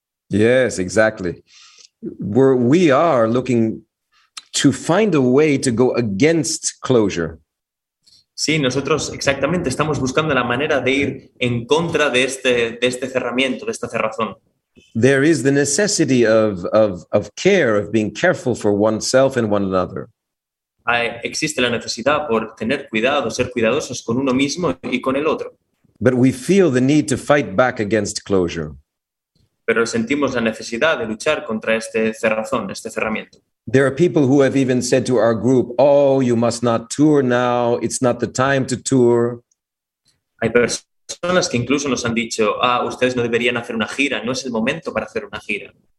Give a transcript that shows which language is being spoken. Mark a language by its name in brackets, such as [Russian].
[English] Yes, exactly. We are looking to find a way to go against closure. [Spanish] Sí, nosotros exactamente estamos buscando la manera de ir en contra de este cerramiento, de esta cerrazón. [English] There is the necessity of care, of being careful for oneself and one another. [Spanish] Existe la necesidad por tener cuidado, ser cuidadosos con uno mismo y con el otro. [English] But we feel the need to fight back against closure. [Spanish] Pero sentimos la necesidad de luchar contra este cerrazón, este cerramiento. [English] There are people who have even said to our group, oh, you must not tour now, it's not the time to tour. [Spanish] Hay personas que incluso nos han dicho, ah, ustedes no deberían hacer una gira, no es el momento para hacer una gira.